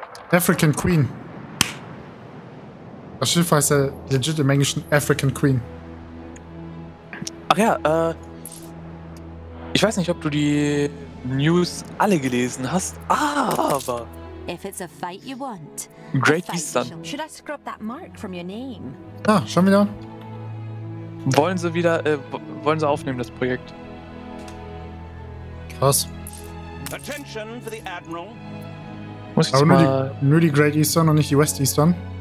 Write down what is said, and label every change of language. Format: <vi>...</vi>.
<en>African Queen.</en> <de>Das Schiff heißt ja legit im Englischen African Queen. Ach ja, ich weiß nicht, ob du die News alle gelesen hast, aber...</de> <en>If it's a fight you want, Great Eastern. Should I scrub that mark from your name?</en> <de>Ah, schon wieder. Wollen sie aufnehmen, das Projekt? Krass.</de> <en>Attention for the Admiral.</en> <de>Muss ich aber jetzt mal... nur die Great Eastern und nicht die West Eastern.</de>